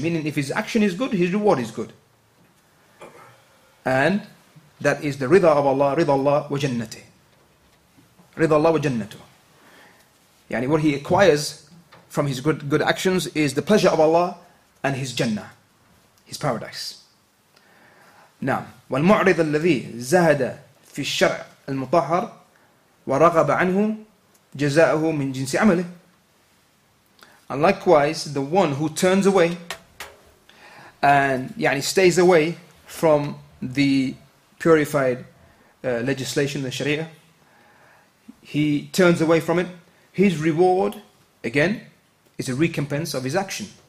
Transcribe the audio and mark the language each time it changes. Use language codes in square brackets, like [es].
[en] Meaning if his action is good, his reward is good. And that is the rida of Allah, [ar] rida Allah wa jannati. Rida Allah wa jannatu. [en] يعني what he acquires from his good actions is the pleasure of Allah and his jannah, his paradise. [ar] نعم والمعرض الذي زهد في الشرع المطهر ورغب عنه جزاؤه من جنس عمله. [en] And likewise the one who turns away and يعني stays away from the purified legislation, the sharia, he turns away from it, his reward again is a recompense of his action.